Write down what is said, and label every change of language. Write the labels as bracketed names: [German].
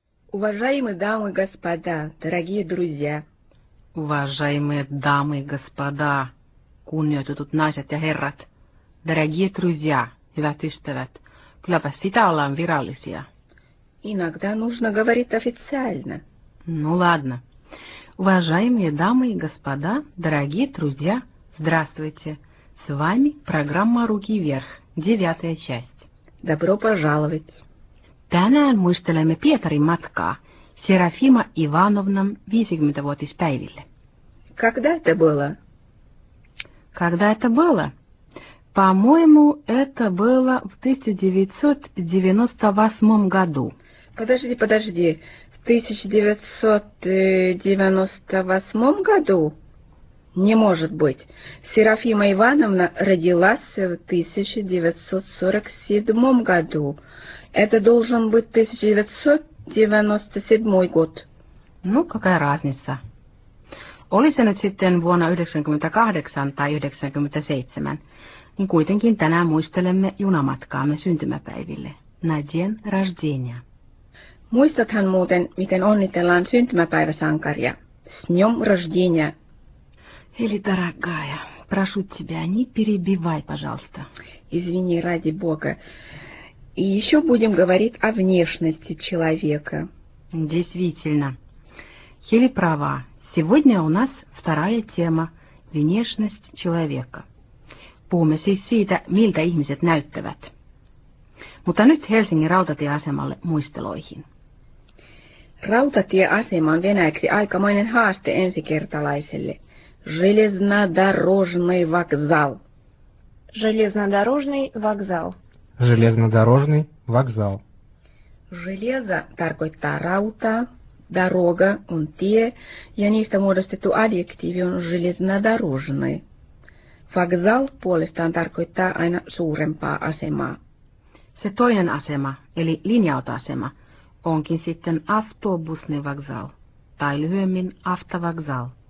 [Russian] Уважаемые дамы и господа, дорогие друзья! Уважаемые дамы и господа, [Finnish] kunnioitetut naiset ja herrat, [Russian] дорогие друзья, [Finnish] hyvät ystävät, kylläpä sitä ollaan virallisia. [Russian] Иногда нужно говорить официально. Ну ладно. Уважаемые дамы и господа, дорогие друзья, здравствуйте. С вами программа «Руки вверх», 9-я часть. Добро пожаловать. [Finnish] Tänään muistelemme Pietarin matkaa Серафима Ивановна 50-vuotispäiville. [Russian] Когда это было? Когда это было? По-моему, это было в 1998 году. Подожди, подожди. В 1998 году? Не может быть. Серафима Ивановна родилась в 1947 году. Это должен быть 1997 год. Ну, какая разница? [Finnish] Oli se nyt sitten vuonna 98 tai 97, niin kuitenkin tänään muistelemme junamatkaamme syntymäpäiville. [Russian] На день рождения. [Finnish] Muistathan muuten, miten onnitellaan syntymäpäiväsankaria. [Russian] С днём рождения. Eli, дорогая, прошу тебя, не перебивай, пожалуйста. Извини, ради бога. И ещё будем говорить о внешности человека. Действительно. Хели права. Сегодня у нас вторая тема – внешность человека. [Finnish] Puhumme siis siitä, miltä ihmiset näyttävät. Mutta nyt Helsingin rautatieasemalle muisteloihin. Rautatieasema on venäjäksi aikamoinen haaste ensikertalaiselle. [Russian] Железнодорожный вокзал. Железнодорожный вокзал. Железнодорожный вокзал. [Finnish] Железо tarkoittaa rautaa. Дорога – он те, ja niistä muodostettu adjektiivi on железнодорожный. Вокзал puolestaan tarkoittaa aina suurempaa asemaa. Se toinen asema, eli linja-autoasema, onkin sitten [Russian] автобусный вокзал, [Finnish] tai lyhyemmin автовокзал.